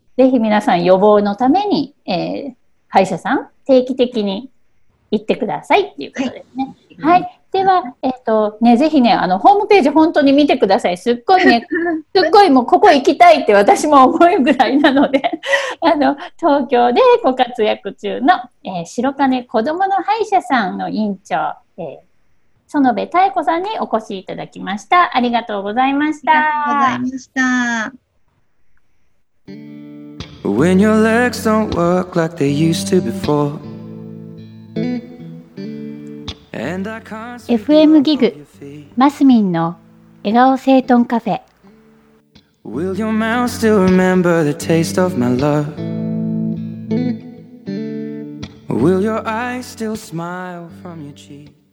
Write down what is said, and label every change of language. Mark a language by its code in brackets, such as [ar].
[ja] ぜひ皆さん予防のために、歯医者さん定期的に行ってくださいっていうことですね、はいはい、では、ね、ぜひね、ホームページ本当に見てください。すっごいね、すっごいもうここ行きたいって私も思うぐらいなので東京でご活躍中の、白金子どもの歯医者さんの院長、園部妙子さんにお越しいただきました。ありがとうございました。ありがとうございました。 [en] When your legs don't work like they used to before [ja] FM ギグマスミンの笑顔整頓カフェ。 [en] Will your mouth still remember the taste of my love? Will your eyes still smile from your cheek?